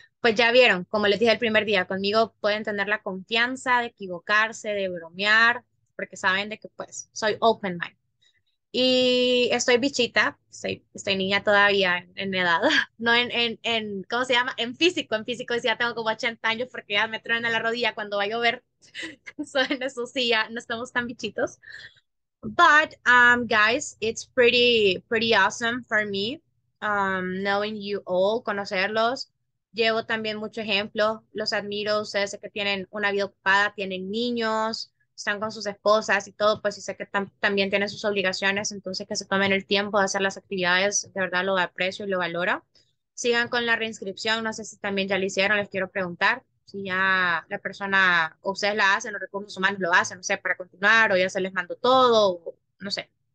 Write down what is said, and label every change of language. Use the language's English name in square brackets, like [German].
[Spanish] Pues ya vieron, como les dije el primer día, conmigo pueden tener la confianza de equivocarse, de bromear, porque saben de que, pues, soy open mind. Y estoy bichita, estoy niña todavía en edad, no en, ¿cómo se llama? En físico, decía, tengo como 80 años porque ya me truena la rodilla cuando va a llover. En eso sí, ya no estamos tan bichitos. [English] But, guys, it's pretty awesome for me, knowing you all, [Spanish] conocerlos. Llevo también mucho ejemplo, los admiro, ustedes sé que tienen una vida ocupada, tienen niños, están con sus esposas y todo, pues, y sé que también tienen sus obligaciones, entonces que se tomen el tiempo de hacer las actividades, de verdad lo aprecio y lo valoro. Sigan con la reinscripción, no sé si también ya lo hicieron, les quiero preguntar si ya la persona, o ustedes la hacen, los recursos humanos lo hacen, no sé, para continuar, o ya se les mandó todo, o, no sé.